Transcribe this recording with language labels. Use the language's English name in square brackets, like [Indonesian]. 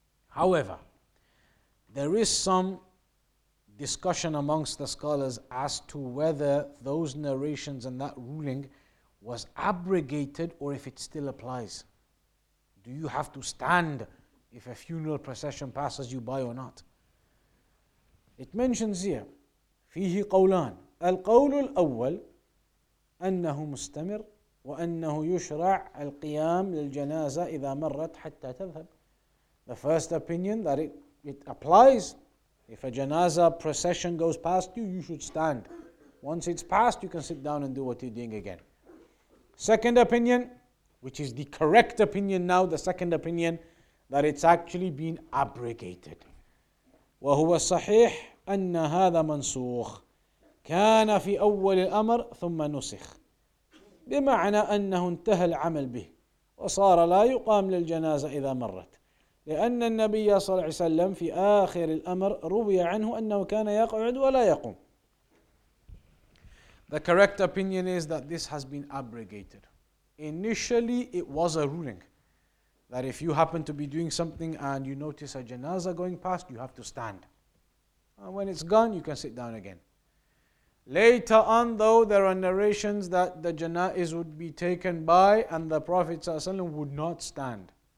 [English] However, there is some discussion amongst the scholars as to whether those narrations and that ruling was abrogated or if it still applies. Do you have to stand if a funeral procession passes you by or not? It mentions here, [Arabic] فيه قولان. القول الأول أنه مستمر وأنه يشرع القيام للجنازة إذا مرت حتى تذهب. [English] The first opinion that it applies. If a janaza procession goes past you, you should stand. Once it's passed, you can sit down and do what you're doing again. Second opinion, which is the correct opinion now, the second opinion, that it's actually been abrogated. [Arabic] وهو صحيح أن هذا منسوخ كان في أول الأمر ثم نسخ بمعنى أنه انتهى العمل به وصار لا يقام للجنازة إذا مرت لأن النبي صلى الله عليه وسلم في آخر الأمر روي عنه أنه كان يقعد ولا يقوم. [English] The correct opinion is that this has been abrogated. Initially it was a ruling that if you happen to be doing something and you notice a janaza going past, you have to stand. And when it's gone, you can sit down again. Later on, though, there are narrations that the janaz would be taken by and the Prophet ﷺ would not stand.